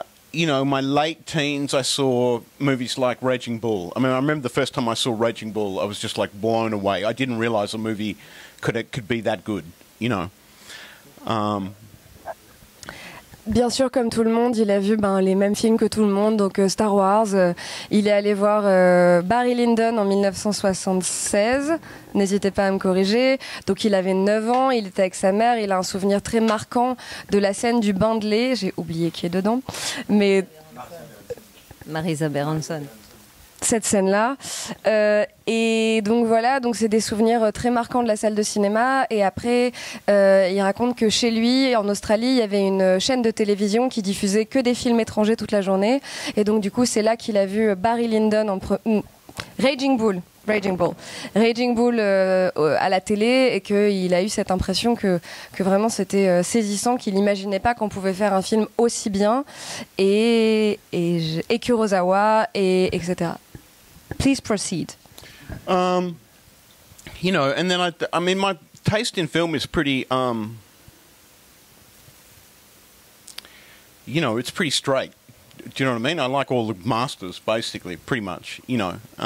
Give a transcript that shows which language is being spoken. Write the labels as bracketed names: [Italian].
[English] You know, my late teens, I saw movies like Raging Bull. I mean, I remember the first time I saw Raging Bull, I was just like blown away. I didn't realize a movie could be that good, you know. [French] bien sûr, comme tout le monde, il a vu les mêmes films que tout le monde, donc Star Wars. Il est allé voir Barry Lyndon en 1976. N'hésitez pas à me corriger. Donc il avait 9 ans, il était avec sa mère. Il a un souvenir très marquant de la scène du bain de lait. J'ai oublié qui est dedans. Mais Marisa Berenson. Cette scène-là. Et donc voilà, donc c'est des souvenirs très marquants de la salle de cinéma. Et après, il raconte que chez lui, en Australie, il y avait une chaîne de télévision qui diffusait que des films étrangers toute la journée. Et donc du coup, c'est là qu'il a vu Barry Lyndon en Raging Bull à la télé, et qu'il a eu cette impression que vraiment c'était saisissant, qu'il n'imaginait pas qu'on pouvait faire un film aussi bien, et Kurosawa, et etc. [English] Please proceed. You know, and then I mean, my taste in film is pretty, you know, it's pretty straight. Do you know what I mean? I like all the masters, basically, pretty much, you know.